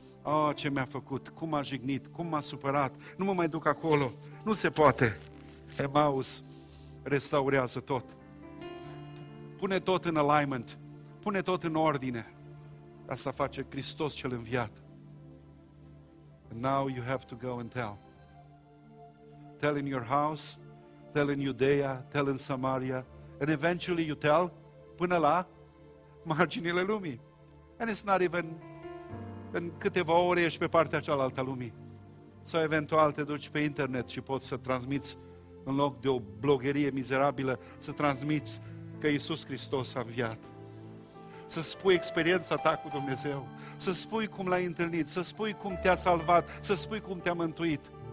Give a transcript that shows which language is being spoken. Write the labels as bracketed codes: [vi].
[ro] Oh, ce mi-a făcut, cum m-a jignit, cum m-a supărat, nu mă mai duc acolo. Nu se poate. Emmaus restaurează tot. Pune tot în alignment. Pune tot în ordine. Asta face Hristos cel înviat. [en] And now you have to go and tell. Tell in your house, tell in Judea, tell in Samaria, and eventually you tell [ro] până la marginile lumii. [en] And it's not even [ro] în câteva ore ești pe partea cealaltă a lumii. Sau eventual te duci pe internet și poți să transmiți în loc de o blogherie mizerabilă, să transmiți că Iisus Hristos a înviat. Să spui experiența ta cu Dumnezeu, să spui cum l-ai întâlnit, să spui cum te-a salvat, să spui cum te-a mântuit.